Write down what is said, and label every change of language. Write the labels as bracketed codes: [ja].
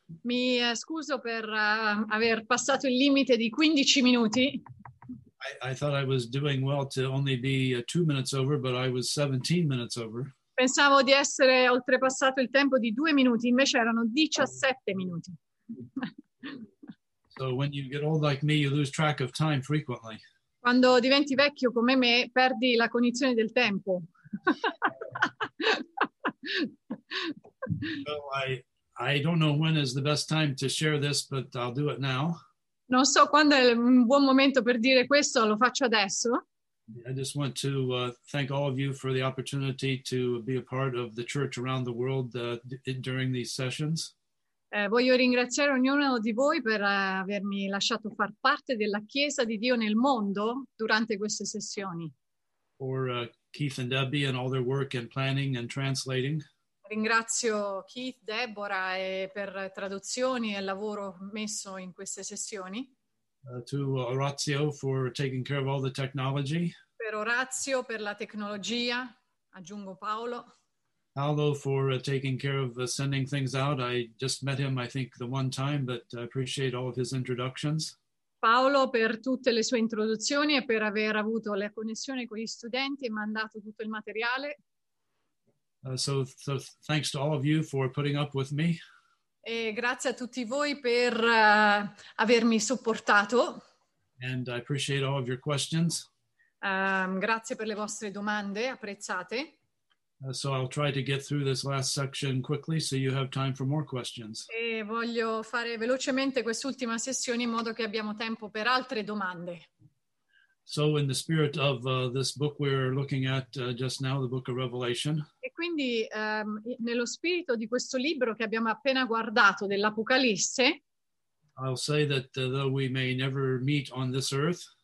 [it] Mi scuso per aver passato il limite di 15 minuti. [en] I thought I was doing well to only be 2 minutes over, but I was 17 minutes over. [it] Pensavo di essere oltrepassato il tempo di 2 minuti, invece erano 17 minuti. [en] So when you get old like me, you lose track of time frequently. [it] Quando diventi vecchio come me, perdi la cognizione del tempo. [en] I don't know when is the best time to share this, but I'll do it now. [it] Non so quando è un buon momento per dire questo, lo faccio adesso. [en] I just want to thank all of you for the opportunity to be a part of the church around the world during these sessions. [it] Voglio ringraziare ognuno di voi per avermi lasciato far parte della Chiesa di Dio nel mondo durante queste sessioni. [en] For Keith and Debbie and all their work in planning and translating. [it] Ringrazio Keith, Deborah e per traduzioni e lavoro messo in queste sessioni. [en] To Orazio for taking care of all the technology. [it] Per Orazio per la tecnologia, aggiungo Paolo. [en] Paolo for taking care of sending things out. I just met him, I think, the one time, but I appreciate all of his introductions. [it] Paolo per tutte le sue introduzioni e per aver avuto la connessione con gli studenti e mandato tutto il materiale. [en] So thanks to all of you for putting up with me. [it] E grazie a tutti voi per avermi supportato. [en] And I appreciate all of your questions. [it] Grazie per le vostre domande, apprezzate. [en] So I'll try to get through this last section quickly so you have time for more questions. [it] E voglio fare velocemente quest'ultima sessione in modo che abbiamo tempo per altre domande. [en] So in the spirit of this book we're looking at just now, the book of Revelation. [it] E quindi nello spirito di questo libro che abbiamo appena guardato dell'Apocalisse. [en] I'll say that though we may never meet on this earth.